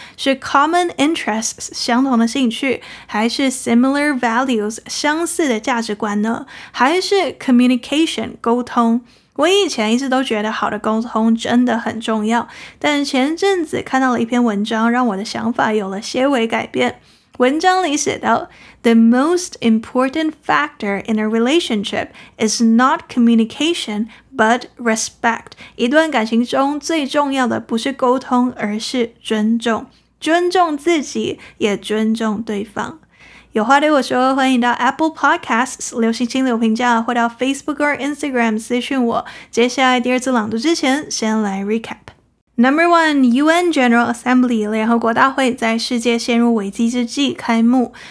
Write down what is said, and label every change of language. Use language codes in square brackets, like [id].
[zh] 是 common interests 相同的兴趣，还是 similar values 相似的价值观呢？还是 communication 沟通？我以前一直都觉得好的沟通真的很重要，但前阵子看到了一篇文章，让我的想法有了些微改变。文章里写到 [en] The most important factor in a relationship is not communication, but respect. [zh] 一段感情中最重要的不是沟通，而是尊重。尊重自己，也尊重对方。有话对我说，欢迎到 Apple Podcasts 留星星留评价，或到 Facebook 或 Instagram 私讯我。接下来第二次朗读之前，先来 recap。 [en] Number one, UN General Assembly, [zh] 联合国大会在世界陷入危机之际开幕。